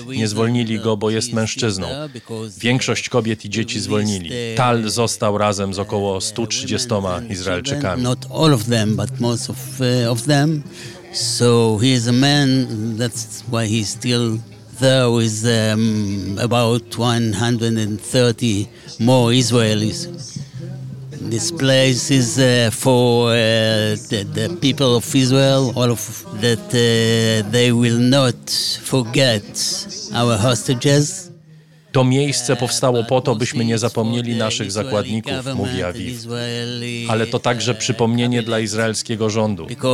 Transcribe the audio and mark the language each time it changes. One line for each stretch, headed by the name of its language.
Polish: Nie zwolnili go, bo jest mężczyzną. Większość kobiet i dzieci zwolnili. Tal został razem z około 130 Izraelczykami.
English: Not all of them, but most of them. So he is a man, that's why he's still there with about 130 more Israelis. This place is for the people of Israel, all of that they will not forget our hostages.
Polish: To miejsce powstało po to, byśmy nie zapomnieli naszych zakładników, mówi Aviv. Ale to także przypomnienie dla izraelskiego rządu.